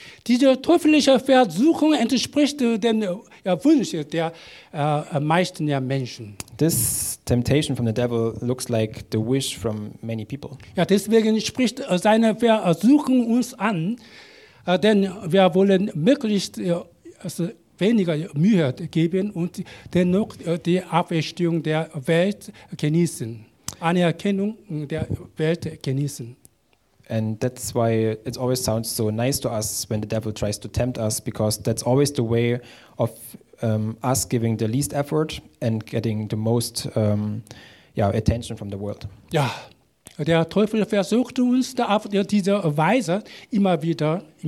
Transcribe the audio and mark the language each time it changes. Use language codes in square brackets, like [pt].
[de] Diese teuflische Versuchung entspricht dem Wunsch der meisten Menschen. [en] This temptation from the devil looks like the wish from many people. [de] Ja, deswegen spricht seine Versuchung uns an, denn wir wollen möglichst weniger Mühe geben und dennoch die Auferstehung der Welt genießen, Anerkennung der Welt genießen. [en] And that's why it always sounds so nice to us when the devil tries to tempt us, because that's always the way of us giving the least effort and getting the most attention from the world. [de] Ja, der Teufel versucht uns auf diese Weise immer wieder.